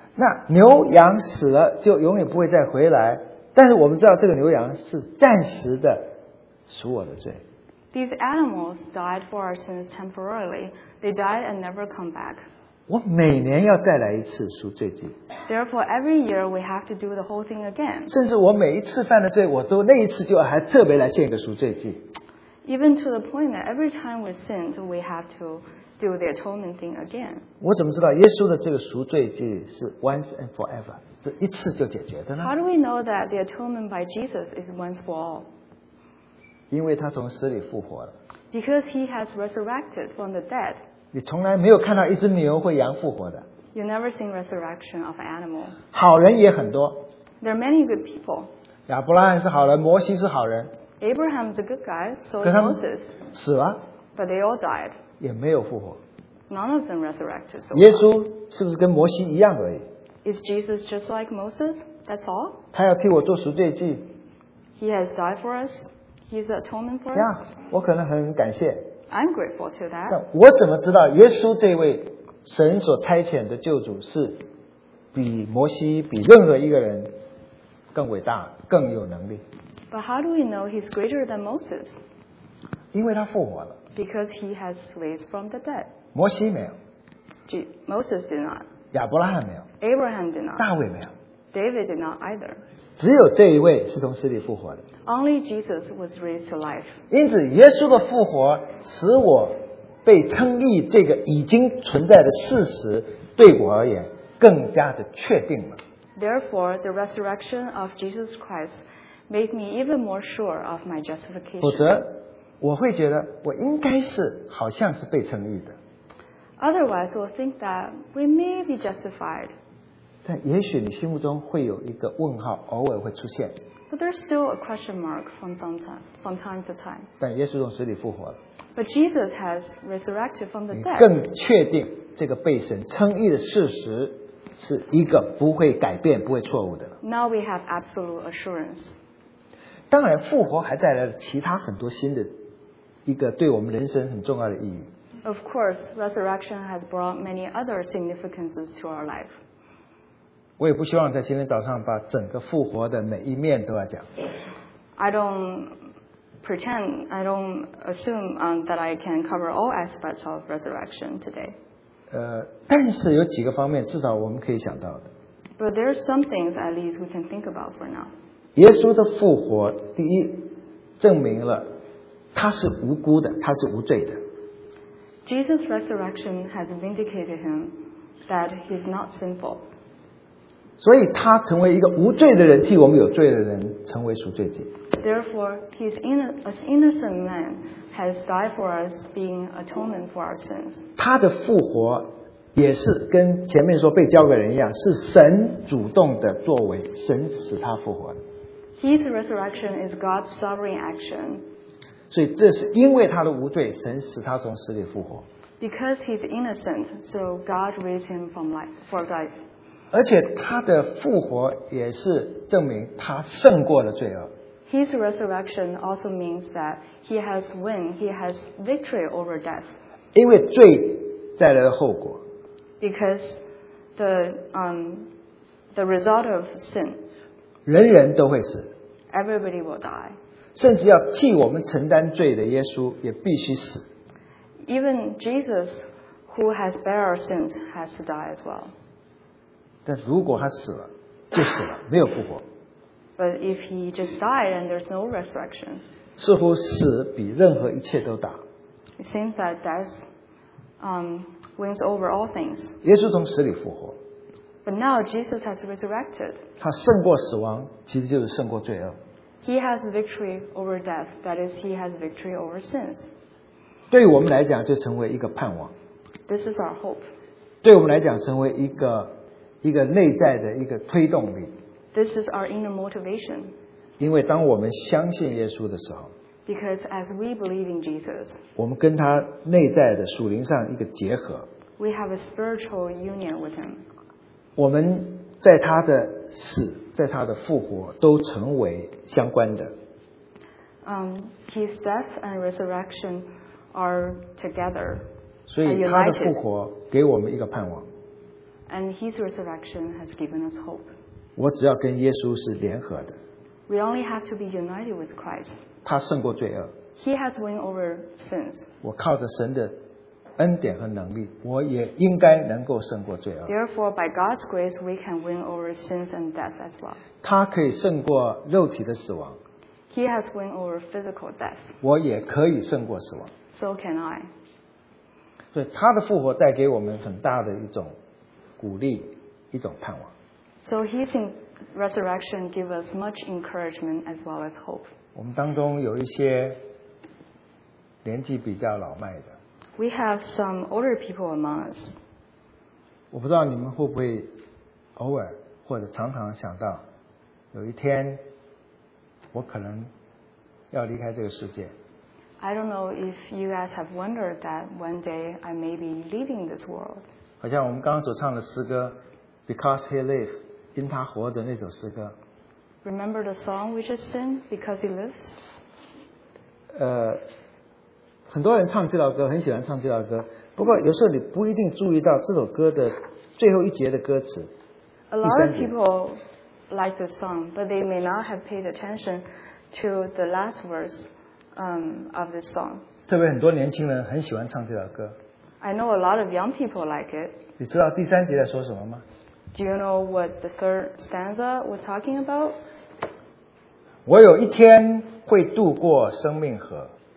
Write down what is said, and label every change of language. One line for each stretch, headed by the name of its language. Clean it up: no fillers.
Chinese: 那牛羊死了就永远不会再回来，但是我们知道这个牛羊是暂时的赎我的罪。
English: These animals died for our sins temporarily. They died and never come back.
Chinese: 我每年要再来一次赎罪祭。
English: Therefore, every year we have to do the whole thing again.
Chinese: 甚至我每一次犯的罪，我都那一次就还特别来献一个赎罪祭。
English: Even to the point that every time we sin, we have to do the atonement thing again.
Chinese: 我怎么知道耶稣的这个赎罪祭是
English: once and forever，
Chinese: 这一次就解决的呢？
English: How do we know that the atonement by Jesus is once for all?
Chinese: 因为他从死里复活了。
English: Because he has resurrected from the dead.
Chinese: 你从来没有看到一只牛或羊复活的。
English: You never seen resurrection of animal.
Chinese: 好人也很多。
English: There are many good people.
Chinese: 亚伯拉罕是好人，摩西是好人。
English: Abraham is a good guy, so is Moses.
Chinese: 死了。
English: But they all died.
Chinese: 也没有复活。
English: None of them resurrected. So
Chinese: 耶稣是不是跟摩西一样而已？
English: Is Jesus just like Moses? That's all.
Chinese: 他要替我做赎罪祭。
English: He has died for us. He's the atonement for us.
Chinese: Yeah, 我可能很感谢。
English: I'm grateful to that.
Chinese: 但我怎么知道耶稣这位神所差遣的救主是比摩西比任何一个人更伟大更有能力？
English: But how do we know he's greater than Moses?
Chinese: 因为他复活了。
English: Because he has raised from the dead.
Chinese: 摩西没有。
English: Moses did not.
Chinese: 亚伯拉罕没有。
English: Abraham did not.
Chinese: 大卫没有。
English: David did not either.
Chinese: 只有这一位是从死里复活的。
English: Only Jesus was raised to life.
Chinese: 因此，耶稣的复活使我被称义这个已经存在的事实对我而言更加的确定了。
English: Therefore, the resurrection of Jesus Christ made me even more sure of my justification.
Chinese: 否则，我会觉得我应该是好像是被称义的。
English: Otherwise, we'll think that we may be justified.
Chinese: 但也许你心目中会有一个问号，偶尔会出现。
English: But there's still a question mark from time to time.
Chinese: 但耶稣从死里复活了。
English: But Jesus has resurrected from the dead.
Chinese: 你更确定这个被神称义的事实是一个不会改变、不会错误的。
English: Now we have absolute assurance.
Chinese: 当然，复活还带来了其他很多新的一个对我们人生很重要的意义。
English: Of course, resurrection has brought many other significances to our life.
Chinese: 我也不希望在今天早上把整个复活的每一面都要讲。
English: I don't assume that I can cover all aspects of resurrection today.
Chinese: 但是有几个方面至少我们可以想到的。
English: But there are some things at least we can think about for now.
Chinese: 耶稣的复活，第一，证明了他是无辜的，他是无罪的。
English: Jesus' resurrection has vindicated him that he's not sinful.
Chinese: 所以他成为一个无罪的人，替我们有罪的人成为赎罪祭。
English: Therefore, he's an innocent man has died for us, being atonement for our sins.
Chinese: 他的复活也是跟前面说被交给人一样，是神主动的作为，神使他复活。
English: His resurrection is God's sovereign action.
Chinese: 所以这是因为他的无罪，神使他从死里复活。
English: Because he's innocent, so God raised him from life for life.
Chinese: 而且他的复活也是证明他胜过了罪恶。
English: His resurrection also means that he has won, he has victory over death.
Chinese: 因为罪带来的后果。
English: Because the result of sin.
Chinese: 人人都会死。
English: Everybody will die.
Chinese: 甚至要替我们承担罪的耶稣也必须死。
English: Even Jesus, who has bear our sins, has to die as well.
Chinese: 但如果他死了，就死了，没有复活。
English: But if he just died and there's no resurrection,
Chinese: 似乎死比任何一切都大。
English: It seems that death wins over all things.
Chinese: 耶稣从死里复活。
English: But now Jesus has resurrected.
Chinese: 他胜过死亡，其实就是胜过罪恶。
English: He has victory over death. That is, he has victory over sins.
Chinese: 对我们来讲，就成为一个盼望。
English: This is our hope.
Chinese: 对我们来讲，成为一个内在的一个推动力。
English: This is our inner motivation.
Chinese: 因为当我们相信耶稣的时候
English: ，Because as we believe in Jesus,
Chinese: 我们跟他内在的属灵上一个结合。
English: We have a spiritual union with him.
Chinese: 我们在他的死。在他的复活都成为相关的。
English: His death and resurrection are together.
Chinese: 所以他的复活给我们一个盼望。
English: And his resurrection has given us hope.
Chinese: 我只要跟耶稣是联合的。
English: We only have to be united with Christ.
Chinese: 他胜过罪恶。
English: He has won over sins.
Chinese: 我靠着神的恩典和能力，我也应该能够胜过罪恶。
English: Therefore, by God's grace, we can win over sins and death as well.
Chinese: 他可以胜过肉体的死亡。
English: He has won over physical death.
Chinese: 我也可以胜过死亡。
English: So can I.
Chinese: 所以他的复活带给我们很大的一种鼓励，一种盼望。
English: So his resurrection gives us much encouragement as well as hope.
Chinese: 我们当中有一些年纪比较老迈的。
English: We have some older people among us.
Chinese: 我不知道你们会不会偶尔或者常常想到，有一天我可能要离开这个世界。
English: I don't know if you guys have wondered that one day I may be leaving this world.
Chinese: 好像我们刚刚所唱的诗歌 ，Because He Lives， 因他活的那首诗歌。
English: Remember the song we just sing, Because He Lives.
Chinese: 很多人唱这首歌，很喜欢唱这首歌。不过有时候你不一定注意到这首歌的最后一节的歌词。
English: A lot of people like the song, but they may not have paid attention to the last verse, of the song.
Chinese: 特别很多年轻人很喜欢唱这首歌。
English: I know a lot of young people like it.
Chinese: 你知道第三节在说什么吗
English: ？Do you know what the third stanza was talking about?
Chinese: 我有一天会渡过生命河。